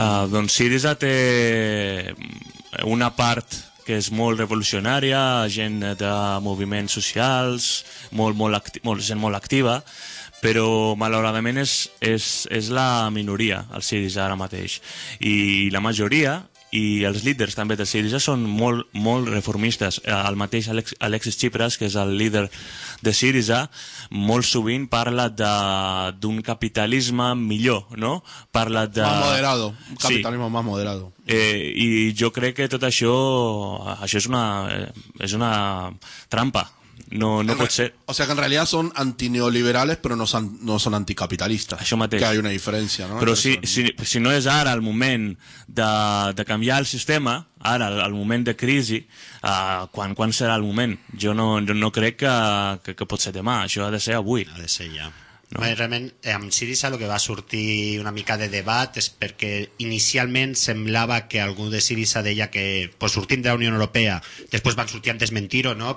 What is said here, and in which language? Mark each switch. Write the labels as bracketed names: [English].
[Catalan] Don Syriza té una part que és molt revolucionària, gent de moviments socials, molt activa, però malauradament és la minoria, el Syriza ara mateix. I la majoria, i els líders també de Syriza són molt, molt reformistes. El mateix Alexis Tsipras, que és el líder de Syriza, molt sovint parla d'un capitalisme millor, no? Parla de... [Spanish] Más moderado, [Catalan] un capitalisme [Spanish] sí. Más moderado. [Catalan] I jo crec que tot això és una trampa. No pot ser. [Spanish] O sea que en realidad son antineoliberales, pero no son anticapitalistas. [Catalan] Això mateix. [Spanish] Que hay una diferencia, ¿no? [Catalan] Però si no és ara el moment de canviar el sistema, ara, el moment de crisi, quan serà el moment? Jo no crec que pot ser demà, això ha de ser avui. Ha de ser ja. No? Bé, realment, amb Syriza el que va sortir una mica de debat és perquè inicialment semblava que algú de Syriza deia que pues, sortint de la Unió Europea, després van sortir antes mentiro, no?